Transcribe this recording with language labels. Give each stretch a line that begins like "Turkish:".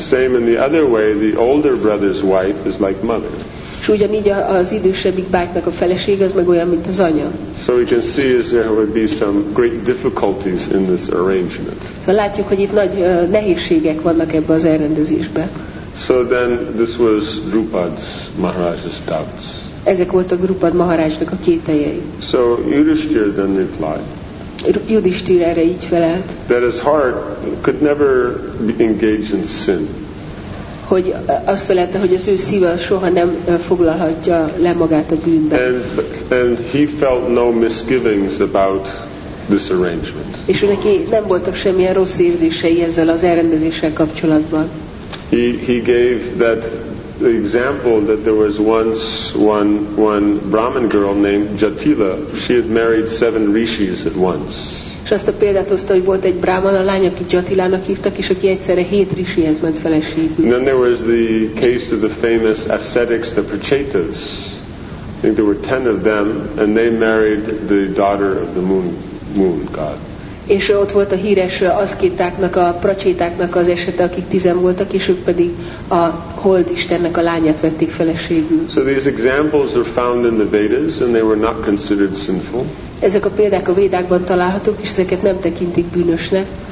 English: Same in the other way, the older brother's wife is like mother.
Hungarian: És ugyanígy az idősebbik bátynak a felesége az meg olyan, mint az anya.
English: So we can see is there would be some great difficulties in this arrangement.
Hungarian: Szóval látjuk, hogy itt nagy nehézségek vannak ebben az elrendezésben.
English: So then this was Drupad's Maharaj's doubts.
Hungarian: Ezek voltak Drupad Maharajnak a kételjei.
English: So Yudhishthir then replied.
Hungarian: Yudhishthir erre így felelt.
English: That his heart could never be engaged in sin.
Hungarian: Hogy azt felelte, hogy az ő szíve soha nem foglalhatja le magát a bűnbe.
English: And he felt no misgivings about this arrangement.
Hungarian: És neki nem voltak semmilyen rossz érzései ezzel az elrendezéssel kapcsolatban.
English: He gave that example that there was once one Brahmin girl named Jatila. She had married 7 rishis at once.
Hungarian: És azt a példát hozta, hogy volt egy Brahman, a lány, akit Jatilának hívtak, és aki egyszerre 7 rishihez ment feleségül.
English: Then there was the case of the famous ascetics, the Prachetas. I think there were 10 of them, and they married the daughter of the moon god.
Hungarian: És ott volt a híres aszkétáknak, a pracsétáknak az esete, akik 10 voltak, és ők pedig a holdistennek a lányát vették feleségül.
English: So these examples are found in the Vedas, and they were not considered sinful.
Hungarian: Ezek a példák a Védákban találhatók, és ezeket nem tekintik bűnösnek.